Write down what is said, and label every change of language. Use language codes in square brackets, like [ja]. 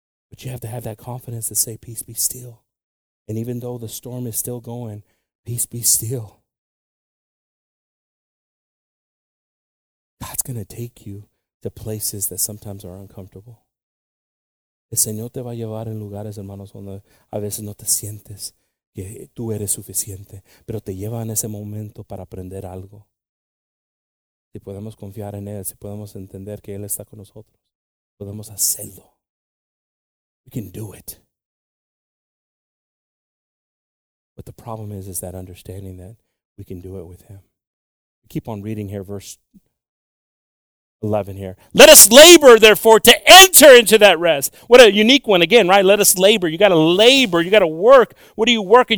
[en] But you have to have that confidence to say, peace be still. And even though the storm is still going, peace be still. God's going to take you to places that sometimes are uncomfortable. [es] El Señor te va a llevar en lugares, hermanos, donde a veces no te sientes que tú eres suficiente, pero te lleva en ese momento para aprender algo. Si podemos confiar en Él, si podemos entender que Él está con nosotros, podemos hacerlo. [en] We can do it. But the problem is that understanding that we can do it with Him. We keep on reading here, verse 11 here. Let us labor, therefore, to enter into that rest. What a unique one again, right? Let us labor. You got to labor. You got to work. What are you working?